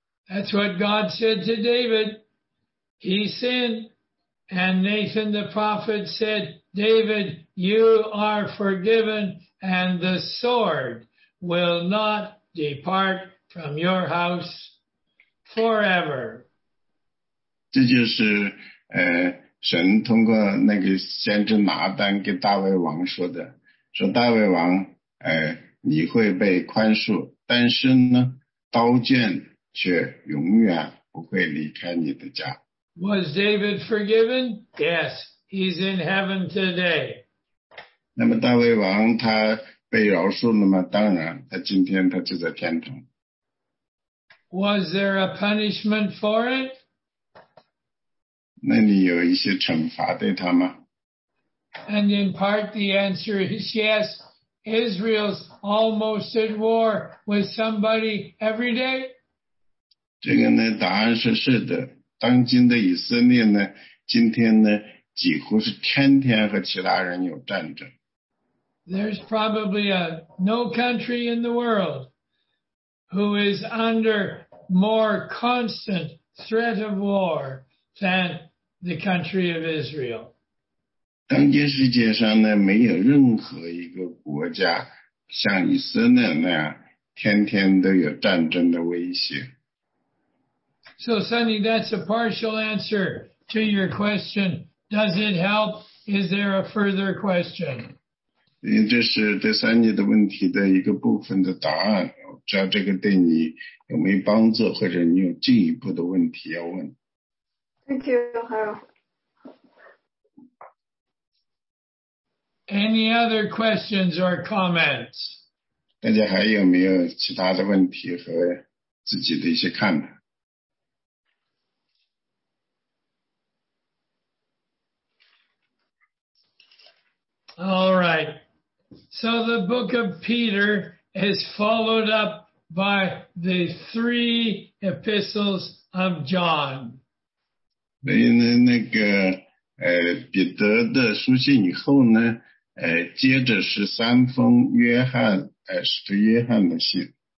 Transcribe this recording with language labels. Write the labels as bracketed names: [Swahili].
[English] That's what God said to David. He sinned. And Nathan the prophet said, David, you are forgiven and the sword will not depart from your house forever. [Chinese] 这就是神通过那个先知拿单给大卫王说的，说大卫王你会被宽恕，但是呢刀剑却永远不会离开你的家。 [English] Was David forgiven? Yes, he's in heaven today. [Chinese] 那么大卫王他被饶恕了吗？当然，他今天他就在天堂。 [English] Was there a punishment for it? [Chinese] 那你有一些惩罚对他吗？ [English] And in part the answer is yes. Israel's almost at war with somebody every day. [Chinese] 这个呢答案是是的，当今的以色列呢今天呢几乎是天天和其他人有战争。 [English] There's probably no country in the world who is under more constant threat of war than the country of Israel. [Chinese] 当今世界上呢没有任何一个国家像以色列那样天天都有战争的威胁。 [English] So, Sonny, that's a partial answer to your question. Does it help? Is there a further question? [Chinese] 这是对三姐的问题的一个部分的答案。我不知道这个对你有没有帮助，或者你有进一步的问题要问。 [English] Thank you, Ohio. Any other questions or comments? [Chinese] 大家还有没有其他的问题和自己的一些看法？ [English] All right. So the book of Peter is followed up by the three epistles of John. [Chinese] 那个彼得的书信以后呢，接着是三封约翰，使徒约翰的信。